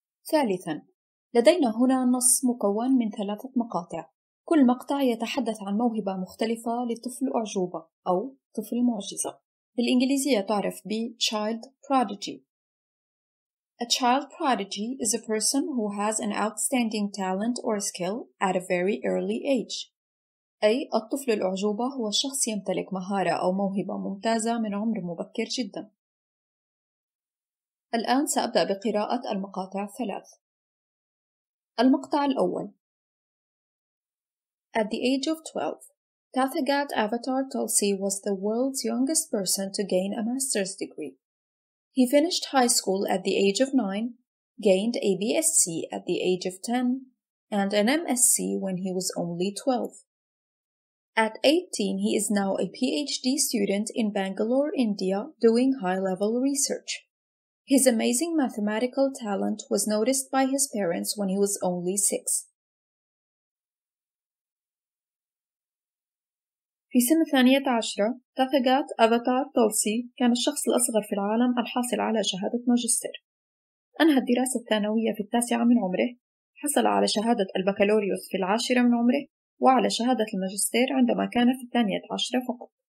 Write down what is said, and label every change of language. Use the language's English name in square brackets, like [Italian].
[Arabic] ثالثاً، لدينا هنا نص مكون من ثلاثة مقاطع، كل مقطع يتحدث عن موهبة مختلفة لطفل أعجوبة أو طفل معجزة. بالإنجليزية تعرف بـ [English] child prodigy. A child prodigy is a person who has an outstanding talent or skill at a very early age. [Arabic] أي الطفل الأعجوبة هو الشخص يمتلك مهارة أو موهبة ممتازة من عمر مبكر جدا. الآن سأبدأ بقراءة المقاطع الثلاث. المقطع الأول [English] At the age of 12, Tathagat Avatar Tulsi was the world's youngest person to gain a master's degree. He finished high school at the age of 9, gained a BSc at the age of 10, and an MSc when he was only 12. At 18, he is now a PhD student in Bangalore, India, doing high-level research. His amazing mathematical talent was noticed by his parents when he was only 6. [Arabic] في سن 18، تاثاغات أفاتار تولسي كان الشخص الأصغر في العالم الحاصل على شهادة ماجستير. أنهى الدراسة الثانوية في 9 من عمره، حصل على شهادة البكالوريوس في 10 من عمره، وعلى شهادة الماجستير عندما كان في 12 فقط.